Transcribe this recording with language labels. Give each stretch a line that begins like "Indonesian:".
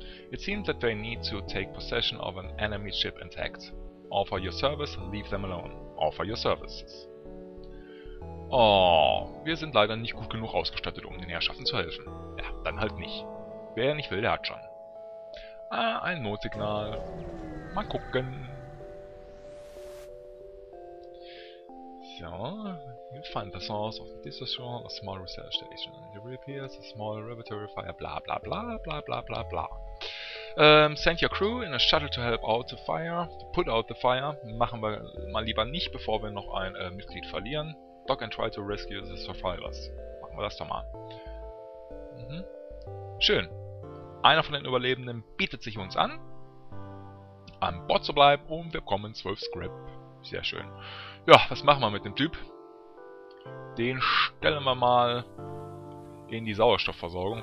English: It seems that they need to take possession of an enemy ship intact. Offer your service and leave them alone. Offer your services.
German: Oh, wir sind leider nicht gut genug ausgestattet, um den Herrschaften zu helfen. Ja, dann halt nicht. Wer nicht will, der hat schon. Ah, ein Notsignal. Mal gucken.
English: So, you find the source of this assault, a small research station. It reappears, a small laboratory fire, bla bla bla bla bla bla bla. Send your crew in a shuttle to help out the fire. Put out the fire.
German: Machen wir mal lieber nicht, bevor wir noch ein Mitglied verlieren.
English: Dock and try to rescue the survivors.
German: Machen wir das doch mal. Schön. Einer von den Überlebenden bietet sich uns an, an Bord zu bleiben, und wir bekommen 12 Scrap. Sehr schön. Ja, was machen wir mit dem Typ? Den stellen wir mal in die Sauerstoffversorgung.